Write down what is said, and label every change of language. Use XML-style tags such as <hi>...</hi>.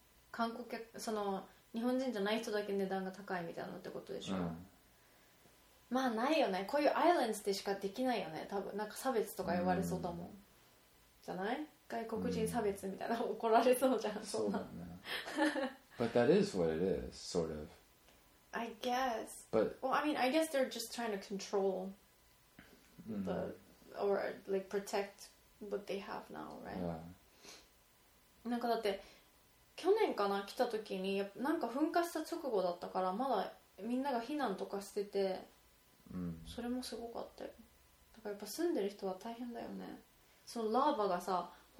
<ja>韓国客 その日本人じゃない人だけ値段が高いみたいなってことでしょ?まあないよね。こういうアイランドでしかできないよね、多分。なんか差別とか言われそうだもん。じゃない? 外国人差別みたいな 怒られそうじゃん。そうだね。</ja> <en>But that is what it is, sort of. I guess. But well, I mean, I guess they're just trying to control the or like protect what they have now, right? Yeah.</en> <ja>なんかだって去年かな来た時にやっぱなんか噴火した直後だったからまだみんなが避難とかしてて、 それもすごかったよ。だからやっぱ住んでる人は大変だよね。そのラーバがさ。</ja>